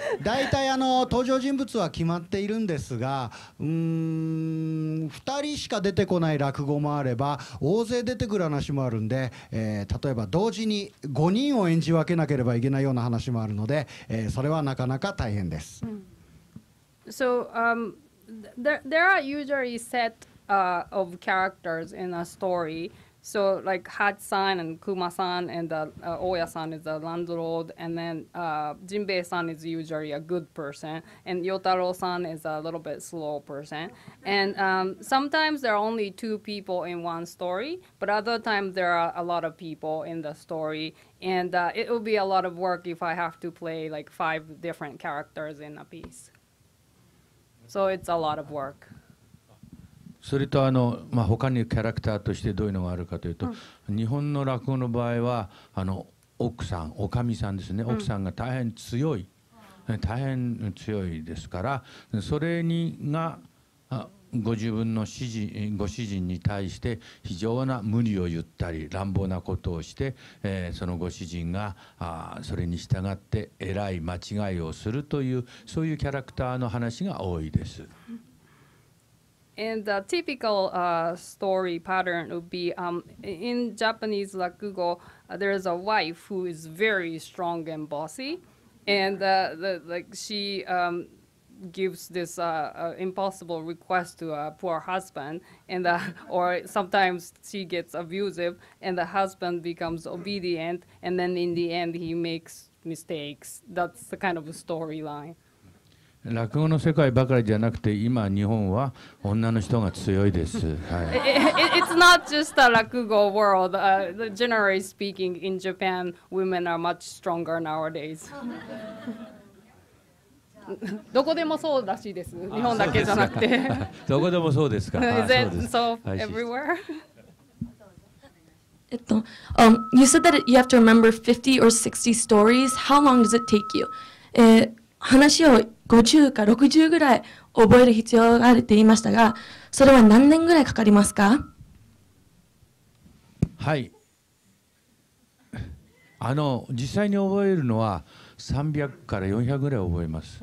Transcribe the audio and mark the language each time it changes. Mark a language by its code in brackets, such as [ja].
[ja] 大体登場人物は決まっているんですが、2人しか出てこない落語もあれば大勢出てくる話もあるんで、例えば同時に5人を演じ分けなければいけないような話もあるので、それはなかなか大変です。 [en] So, there are usually set, of characters in a story. So like Hachi-san and Kuma-san and Oya-san is the landlord, and then Jinbei-san is usually a good person, and Yotaro-san is a little bit slow person. And sometimes there are only two people in one story, but other times there are a lot of people in the story, and it will be a lot of work if I have to play like five different characters in a piece. So it's a lot of work. [ja] それと他にキャラクターとしてどういうのがあるかというと、うん、日本の落語の場合は奥さん、おかみさんですね、奥さんが大変強い、うん、大変強いですから、それにがご自分の指示、ご主人に対して非常な無理を言ったり乱暴なことをして、そのご主人がそれに従ってえらい間違いをするという、そういうキャラクターの話が多いです。 [en] In the typical story pattern would be in Japanese rakugo, there is a wife who is very strong and bossy, and she gives this impossible request to a poor husband, and or sometimes she gets abusive, and the husband becomes obedient, and then in the end he makes mistakes. That's the kind of storyline. [ja] 落語の世界ばかりじゃなくて、今日本は女の人が強いです。はい、 [en] It's not just a 落語 world. Generally speaking, in Japan, women are much stronger nowadays. [ja] どこでもそうらしいです。日本だけじゃなくて。どこでもそうですか。 [en] Is it so everywhere? You said that you have to remember 50 or 60 stories. How long does it take you? [ja] 話を50か60ぐらい覚える必要があるって言いましたが、それは何年ぐらいかかりますか？はい、実際に覚えるのは300から400ぐらい覚えます、